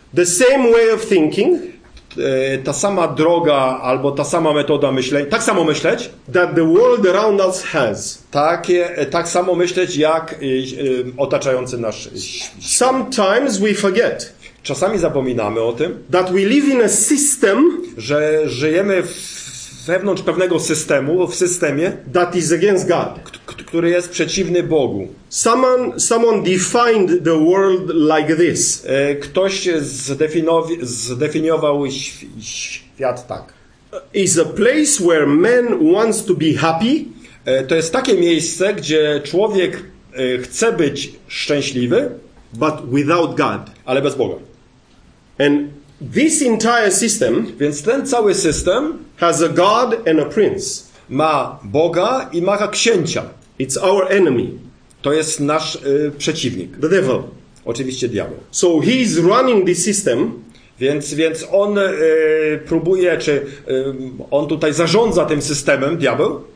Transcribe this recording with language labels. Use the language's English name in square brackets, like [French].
[English] The same way of thinking. [Polish] Ta sama droga albo ta sama metoda myślenia, tak samo myśleć, [English] that the world around us has, [Polish] tak samo myśleć jak otaczający nas. [English] Sometimes we forget, [Polish] czasami zapominamy o tym, [English] that we live in a system, [Polish] że żyjemy wewnątrz pewnego systemu, w systemie [English] that is against God, [Polish] który jest przeciwny Bogu. [English] Someone defined the world like this. [Polish] Ktoś zdefiniował świat tak. [English] Is a place where man wants to be happy. [Polish] To jest takie miejsce, gdzie człowiek chce być szczęśliwy, [English] but without God. [Polish] Ale bez Boga. [English] And this entire system, [Polish] więc ten cały system [English] has a God and a prince. [Polish] Ma Boga i ma księcia. [English] It's our enemy. [Polish] To jest nasz przeciwnik. [English] The devil. [Polish] Oczywiście diabeł. [English] So he is running this system. [Polish] Więc on próbuje, czy on tutaj zarządza tym systemem, diabeł.